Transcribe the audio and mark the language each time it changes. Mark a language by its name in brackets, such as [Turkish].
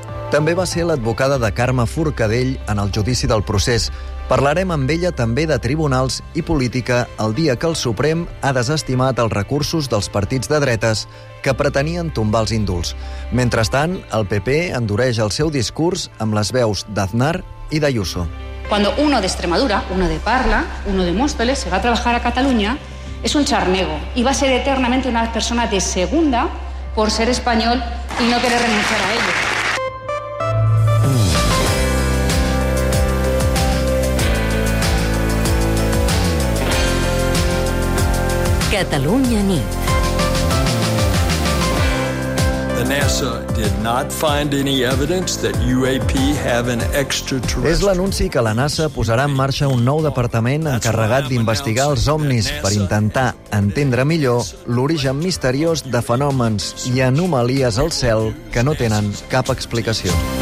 [Catalan] També va ser l'advocada de Carme Forcadell en el judici del procés. Parlarem amb ella també de tribunals i política el dia que el Suprem ha desestimat els recursos dels partits de dretes que pretenien tombar els indults. Mentrestant, el PP endureix el seu discurs amb les veus d'Aznar i d'Ayuso. [Spanish] Cuando uno de Extremadura, uno de Parla, uno de Móstoles se va a trabajar a Cataluña, es un charnego y va a ser eternamente una persona de segunda por ser español y no querer renunciar a ello. [Catalan] Catalunya nit. [English] NASA did not find any evidence that UAP have an extraterrestrial. [Catalan] És l'anunci que la NASA posarà en marxa un nou departament encarregat d'investigar els OVNIs per intentar entendre millor l'origen misteriós de fenòmens i anomalies al cel que no tenen cap explicació.